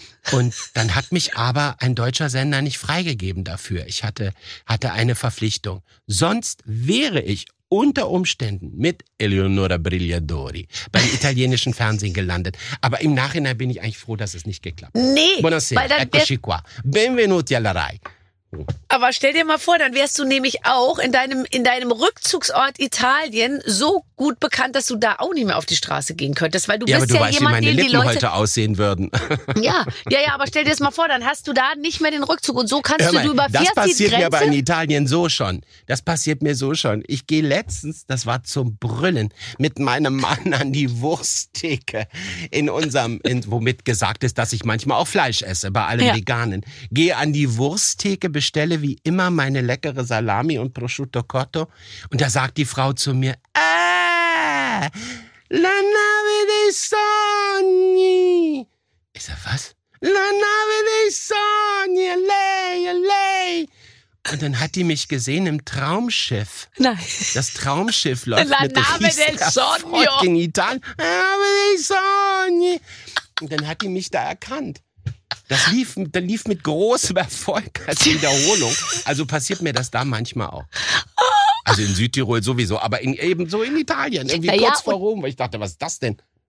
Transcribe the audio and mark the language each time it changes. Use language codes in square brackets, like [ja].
[de] Und dann hat mich aber ein deutscher Sender nicht freigegeben dafür. Ich hatte eine Verpflichtung. Sonst wäre ich unter Umständen mit Eleonora Brigliadori beim italienischen Fernsehen gelandet. Aber im Nachhinein bin ich eigentlich froh, dass es nicht geklappt hat. Nee, [it] buonasera, eccoci qua. Benvenuti alla Rai. [de] Aber stell dir mal vor, dann wärst du nämlich auch in deinem Rückzugsort Italien so gut bekannt, dass du da auch nicht mehr auf die Straße gehen könntest, weil du bist ja jemand, den die Leute... Ja, aber du weißt, wie meine Lippen heute aussehen würden. Ja, aber stell dir das mal vor, dann hast du da nicht mehr den Rückzug und so kannst du über 40 Grenzen... Das passiert mir aber in Italien so schon. Ich gehe letztens, das war zum Brüllen, mit meinem Mann an die Wursttheke womit gesagt ist, dass ich manchmal auch Fleisch esse, bei allem Veganen. Gehe an die Wursttheke, bestelle wie immer meine leckere Salami und Prosciutto Cotto. Und da sagt die Frau zu mir, [it] la nave dei sogni. [de] Ich sag, was? [it] La nave dei sogni, lei, lei. [de] Und dann hat die mich gesehen im Traumschiff. Nein. Das Traumschiff läuft la mit [it] nave del sogno. [de] In Italien. [it] La nave dei sogni. [de] Und dann hat die mich da erkannt. Das lief mit großem Erfolg als Wiederholung. Also passiert mir das da manchmal auch. Also in Südtirol sowieso, aber ebenso in Italien, irgendwie kurz vor Rom, weil ich dachte, was ist das denn?